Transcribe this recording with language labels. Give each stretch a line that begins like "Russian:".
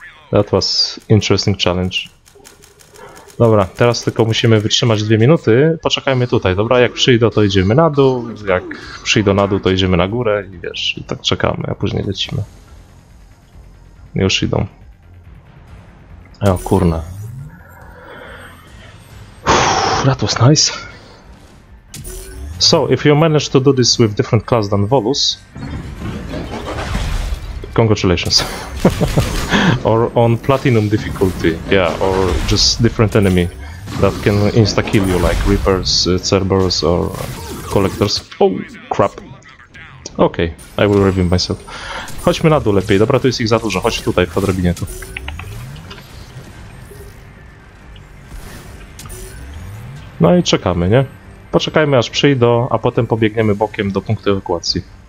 English: That was interesting challenge.
Polish: Dobra, teraz tylko musimy wytrzymać 2 minuty. Poczekajmy tutaj, dobra? Jak przyjdą, to idziemy na dół. Jak przyjdą na dół, to idziemy na górę i wiesz, i tak czekamy, a później lecimy. Już idą. O kurna.
English: That was nice. So, if you manage to do this with different class than Volus, congratulations. Or on platinum difficulty, yeah, or just different enemy that can insta-kill you, like Reapers, Cerberus, or Collectors. Oh, crap. Okay, I will review myself.
Polish: Chodźmy na dół lepiej, dobra, tu jest ich za dużo, chodź tutaj w odrobinie tu. No i czekamy, nie? Poczekajmy aż przyjdą, a potem pobiegniemy bokiem do punktu ewakuacji.